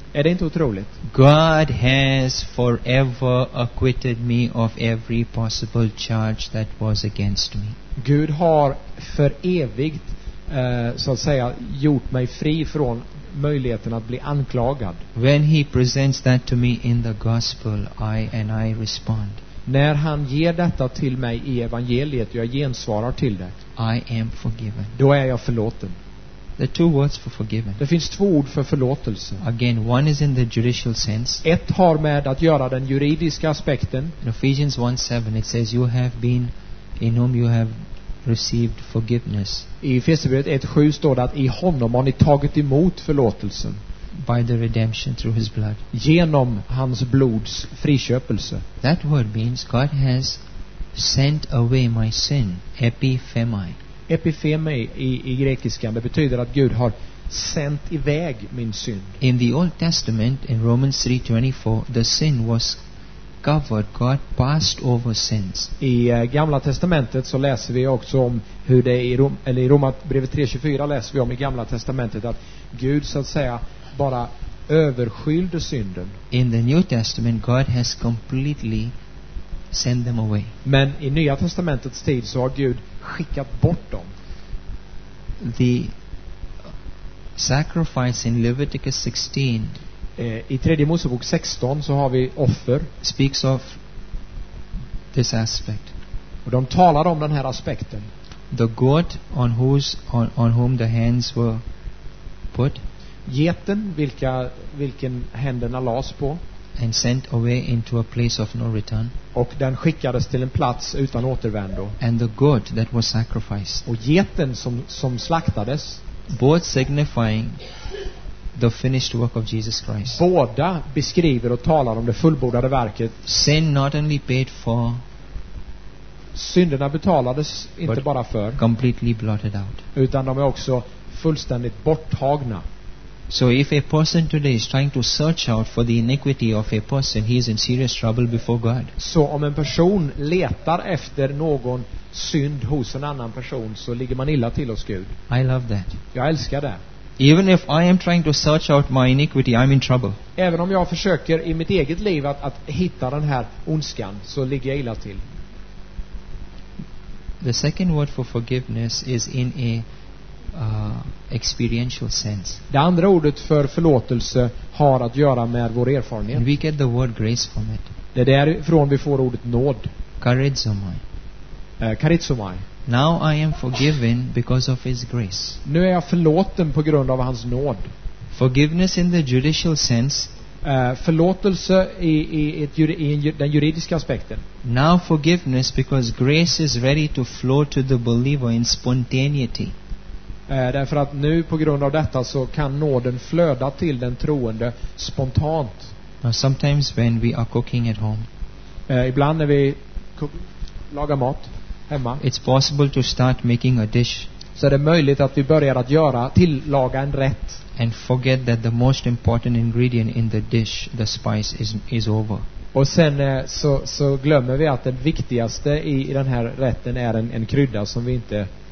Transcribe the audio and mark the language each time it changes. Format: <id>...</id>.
<sv>Är det inte otroligt?</sv> <en>God has forever acquitted me of every possible charge that was against me.</en> <sv>Gud har för evigt så att säga gjort mig fri från möjligheten att bli anklagad.</sv> <en>When he presents that to me in the gospel, I respond.</en> <sv>När han ger detta till mig i evangeliet, jag gensvarar till det.</sv> <en>I am forgiven.</en> <sv>Då är jag förlåten.</sv> <en>The two words for forgiven.</en> <sv>Det finns två ord för förlåtelse.</sv> <en>Again, one is in the judicial sense.</en> <sv>Ett har med att göra den juridiska aspekten.</sv> <en>In Ephesians 1:7 it says you have been in whom you have received forgiveness.</en> <sv>I Efesierbrevet 1:7 står det att i honom har ni tagit emot förlåtelsen.</sv> <en>By the redemption through his blood.</en> <sv>Genom hans blods friköpelse.</sv> <en>That word means God has sent away my sin. Epiphemi.</en> <sv>Epiphemi i grekiskan, det betyder att Gud har sänt iväg min synd.</sv> <en>In the Old Testament, in Romans 3:24, the sin was covered. God passed over sins.</en> <sv>I Gamla testamentet så läser vi också om hur det är i Romarbrevet 3:24 läser vi om i Gamla testamentet att Gud så att säga bara överskylde synden.</sv> <en>In the New Testament God has completely sent them away.</en> <sv>Men i Nya testamentets tid så har Gud skickat bort dem.</sv> <en>The sacrifice in Leviticus 16</en> <sv>I tredje Mosebok 16 så har vi offer.</sv> <en>Speaks of this aspect.</en> <sv>Och de talar om den här aspekten.</sv> <en>The goat on whose on whom the hands were put.</en> <sv>Geten vilken händerna lades på.</sv> <en>And sent away into a place of no return.</en> <sv>Och den skickades till en plats utan återvändo.</sv> <en>And the goat that was sacrificed.</en> <sv>Och geten som slaktades.</sv> <en>Both signifying the finished work of Jesus Christ.</en> <sv>Båda beskriver och talar om det fullbordade verket.</sv> <en>Sin not only paid for.</en> <sv>Synderna betalades inte bara för.</sv> <en>Completely blotted out.</en> <sv>Utan de är också fullständigt borttagna.</sv> <en>So if a person today is trying to search out for the iniquity of a person, he is in serious trouble before God.</en> <sv>Så om en person letar efter någon synd hos en annan person, så ligger man illa till hos Gud.</sv> <en>I love that.</en> <sv>Jag älskar det.</sv> <en>Even if I am trying to search out my iniquity, I'm in trouble.</en> <sv>Även om jag försöker i mitt eget liv att hitta den här ondskan, så ligger jag illa till.</sv> <en>The second word for forgiveness is in a experiential sense.</en> <sv>Det andra ordet för förlåtelse har att göra med vår erfarenhet.</sv> <en>And we get the word grace from it.</en> <sv>Det är därifrån vi får ordet nåd.</sv> <en>Charizomai.</en> <sv>Charizomai.</sv> <en>Now I am forgiven because of his grace.</en> <sv>Nu är jag förlåten på grund av hans nåd.</sv> <en>Forgiveness in the judicial sense.</en> <sv>Förlåtelse i den juridiska aspekten.</sv> <en>Now forgiveness because grace is ready to flow to the believer in spontaneity.</en> <sv>Därför att nu på grund av detta så kan nåden flöda till den troende spontant.</sv> <en>Now sometimes when we are cooking at home.</en> <sv>Ibland när vi lagar mat hemma.</sv> <en>It's possible to start making a dish.</en> <sv>Så är det möjligt att vi börjar att tillaga en rätt.</sv> <en>And forget that the most important ingredient in the dish, the spice, is over.</en> <sv>Och sen så glömmer vi att det viktigaste i den här rätten är en krydda som vi inte</sv>